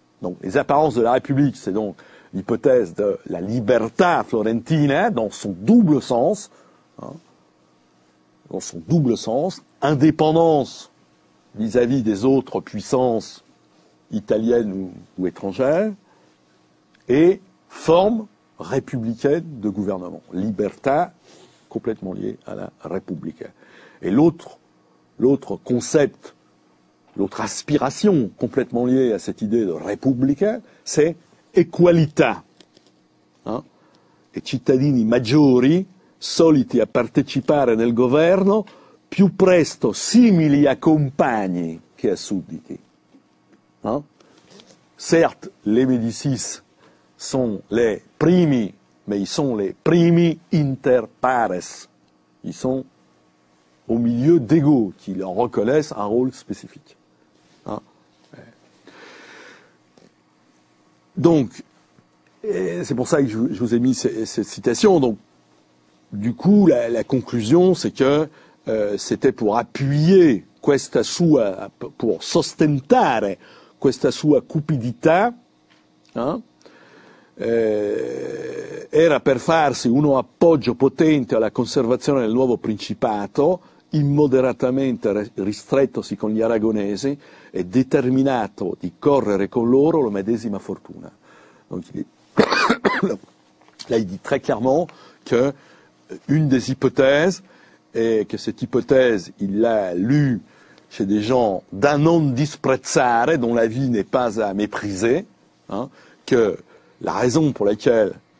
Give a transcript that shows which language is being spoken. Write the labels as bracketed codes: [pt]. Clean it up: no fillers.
[fr] Donc, les apparences de la République, c'est donc l'hypothèse de la libertà florentina, dans son double sens, hein, dans son double sens, indépendance vis-à-vis des autres puissances italiennes ou étrangères, et forme républicaine de gouvernement. Libertà, complètement liée à la Repubblica. Et l'autre concept, l'autre aspiration complètement liée à cette idée de Repubblica, c'est equalità. Hein? [it] Et cittadini maggiori, soliti a partecipare nel governo, più presto simili a compagni che a sudditi. Hein? [fr] Certes, les Médicis sont les primi, mais ils sont les primi inter pares. Ils sont au milieu d'égaux qui leur reconnaissent un rôle spécifique. Hein? Donc, et c'est pour ça que je vous ai mis cette citation. Donc, du coup, la conclusion, c'est que c'était pour appuyer [it] questa sua, pour sostentare questa sua cupidità, hein, era per farsi uno appoggio potente alla conservazione del nuovo principato, immoderatamente ristrettosi con gli aragonesi e determinato di correre con loro la medesima fortuna. [fr] Donc, là, il dit très clairement que une des hypothèses, et que cette hypothèse, il l'a lue chez des gens d'un [it] non disprezzare, [fr] dont la vie n'est pas à mépriser, hein, que la raison pour laquelle